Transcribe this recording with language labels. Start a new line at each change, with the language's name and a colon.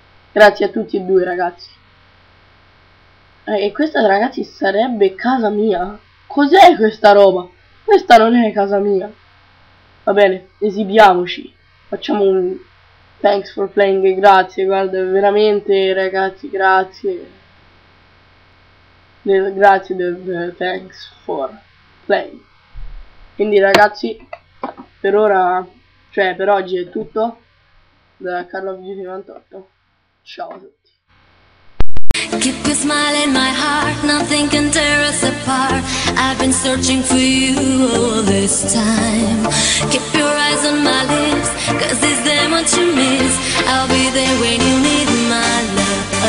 Italian: Grazie a tutti e due, ragazzi. E questa, ragazzi, sarebbe casa mia. Cos'è questa roba? Questa non è casa mia. Va bene, esibiamoci. Facciamo un
English: thanks for playing.
Italian: Grazie, guarda, veramente, ragazzi, grazie. Grazie del
English: thanks for playing.
Italian: Quindi, ragazzi, per ora, cioè per oggi è tutto da Call of Duty 98. Ciao a tutti.
English: Keep your smile in my heart, nothing can tear us apart. I've been searching for you all this time. Keep your eyes on my lips, 'cause is there what you miss? I'll be there when you need my love.